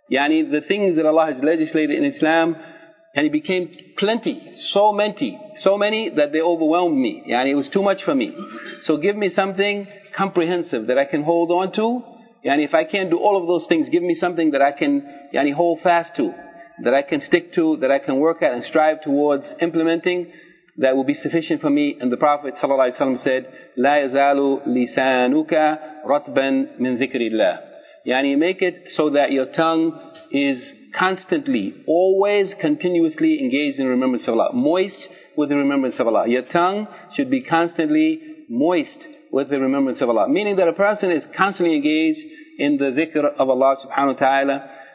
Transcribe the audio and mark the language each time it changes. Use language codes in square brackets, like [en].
[en] Yani the things that Allah has legislated in Islam, and it became plenty, so many that they overwhelmed me. Yani it was too much for me. So give me something comprehensive that I can hold on to. Yani if I can't do all of those things, give me something that I can hold fast to, that I can stick to, that I can work at and strive towards implementing, that will be sufficient for me. And the Prophet ﷺ said, [ar] لَا يَزَالُ لِسَانُكَ رَطْبًا مِنْ ذِكْرِ اللَّهِ. [en] Yani make it so that your tongue is constantly, always, continuously engaged in remembrance of Allah. Moist with the remembrance of Allah. Your tongue should be constantly moist with the remembrance of Allah. Meaning that a person is constantly engaged in the dhikr of Allah subhanahu wa ta'ala.